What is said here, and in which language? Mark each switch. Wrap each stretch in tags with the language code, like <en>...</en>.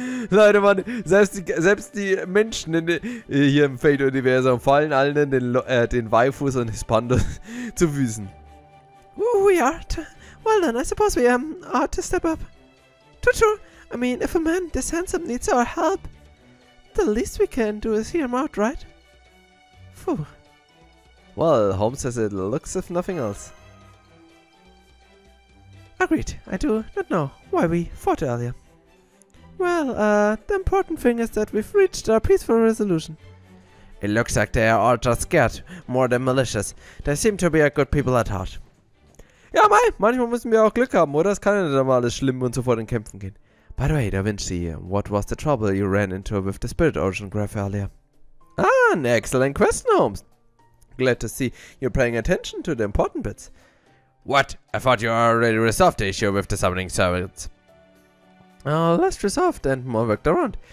<de>Leute, Mann, selbst die Menschen hier im Fate-Universum fallen allen den Waifus und Hispandos zu Füßen.</de> <en>We are. Well then, I suppose we are to step up. True. I mean, if a man this handsome needs our help, the least we can do is hear him out, right? Phew. Well, Holmes says it looks if nothing else. Agreed. I do not know why we fought earlier. Well, the important thing is that we've reached our peaceful resolution. It looks like they are all just scared, more than malicious. They seem to be a good people at heart.</en> <de>Ja, mei, manchmal müssen wir auch Glück haben, oder? Es kann ja nicht immer alles schlimm und so vor den Kämpfen gehen.</de> <en>By the way, Da Vinci, what was the trouble you ran into with the Spirit Origin Graph earlier? Ah, an excellent question, Holmes. Glad to see you're paying attention to the important bits. What? I thought you already resolved the issue with the summoning servants. Less resolved and more worked around.</en>